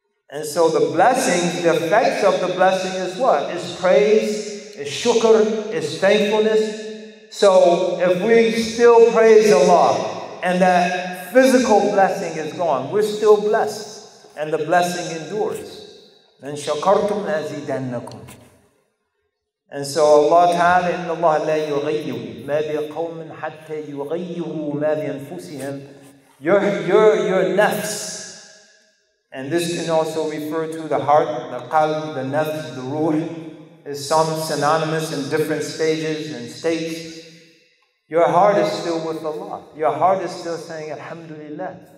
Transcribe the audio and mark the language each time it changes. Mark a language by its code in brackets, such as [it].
[en] And so the blessing, the effects of the blessing is what? It's praise, it's shukr, it's thankfulness. So if we still praise Allah and that physical blessing is gone, we're still blessed and the blessing endures. [ar] Then shakartum azidannakum. [en] And so Allah Ta'ala, [ar] إِنَّ اللَّهَ لَا يُغَيِّرُ مَا بِقَوْمٍ حَتَّى يُغَيِّرُوا مَا بِأَنفُسِهِمْ. [en] Your nafs, and this can also refer to the heart, the qalb, the nafs, the ruh, is some synonymous in different stages and states. Your heart is still with Allah. Your heart is still saying Alhamdulillah.